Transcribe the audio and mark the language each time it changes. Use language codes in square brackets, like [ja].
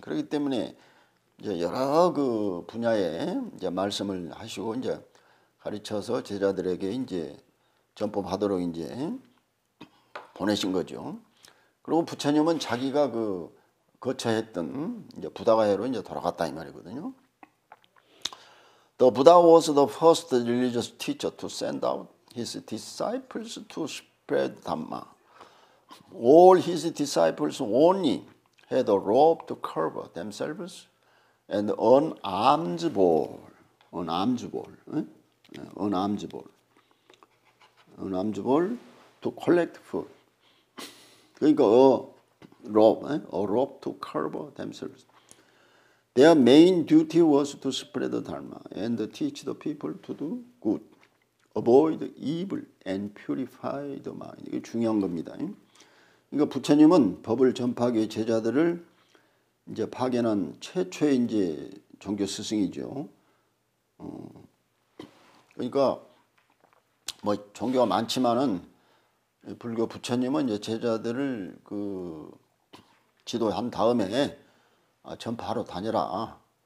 [ko] 그렇기 때문에 이제 여러 그 분야에 이제 말씀을 하시고 이제 가르쳐서 제자들에게 이제 전법하도록 이제 보내신 거죠. 그리고 부처님은 자기가 그 거처했던 이제 부다가야로 이제 돌아갔다 이 말이거든요. [en] The Buddha was the first religious teacher to send out his disciples to spread Dhamma. All his disciples only had a rope to cover themselves and an alms bowl. An alms bowl. An alms bowl. An alms bowl to collect food. [ko] 그러니까 [en] a rope to cover themselves. Their main duty was to spread Dhamma and teach the people to do good. Avoid evil and purify the mind. [ko] 이게 중요한 겁니다. 그러니까 부처님은 법을 전파하기 위해 제자들을 이제 파견한 최초의 이제 종교 스승이죠. 그러니까 뭐 종교가 많지만은 불교 부처님은 이제 제자들을 그 지도한 다음에 전파하러 다녀라.